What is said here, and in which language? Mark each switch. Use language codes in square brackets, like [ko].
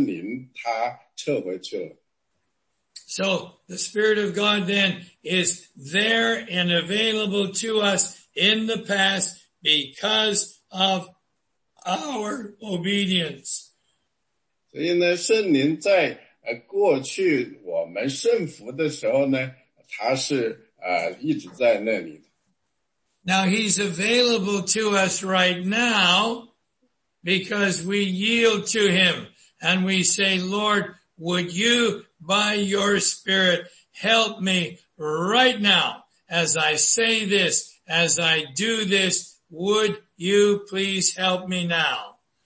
[zh] 所以呢，不顺服呢，引起了在我们应该采取行动的那个点上，圣灵他撤回去了。 [en] So the Spirit of God then is there and available to us in the past because of our obedience. [zh] 所以呢，圣灵在过去我们顺服的时候呢，他是一直在那里的。 [en] Now he's available to us right now because we yield to him and we say, Lord, would you by your Spirit help me right now as I say this, as I do this, would you please help me now?